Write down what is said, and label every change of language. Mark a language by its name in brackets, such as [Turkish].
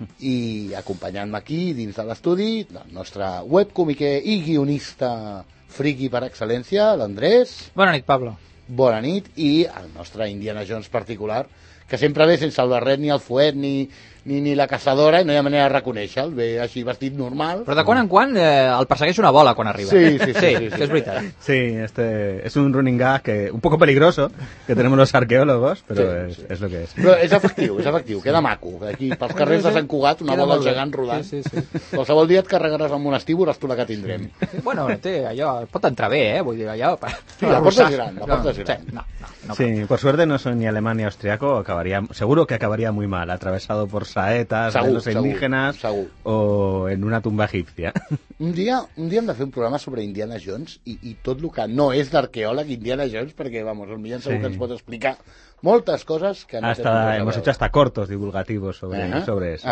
[Catalan] I acompanyant-me aquí, dins de l'estudi, el nostre webcomiquer i guionista friqui per excel·lència, l'Andrés. Bona nit, Pablo. Bona nit. I el nostre Indiana Jones particular, que sempre ve sense el barret, ni el fuet, ni la caçadora, i no hi ha manera de reconèixer-lo, ve així vestit normal. Però de quan en quan el persegueix una bola quan arriba. Sí, és veritat. [Spanish] Sí, este es un running gag que, un poco peligroso, que tenemos los arqueólogos, pero es lo que es. [Catalan] Però és efectiu, queda maco. Aquí, pels carrers de Sant Cugat, una bola gegant rodant. Sí. Qualsevol dia et carregaràs amb un estíbul, és tu la que tindrem. Sí. Bueno, té, allò pot entrar bé, vull dir, allò... Sí, la porta és gran. [Spanish] No, por suerte no soy ni alemán ni austriaco, seguro que acabaría muy mal, atravesado por saetas, [Catalan] segur, [Spanish] de los indígenas, [Catalan] segur. [Spanish] O en una tumba egipcia. [Catalan] Un dia hem de fer un programa sobre Indiana Jones i tot el que no és d'arqueòleg Indiana Jones, perquè, vamos, el Millán segur que ens pot explicar moltes coses que no [Spanish] hasta, hemos hecho hasta cortos divulgativos sobre, sobre eso.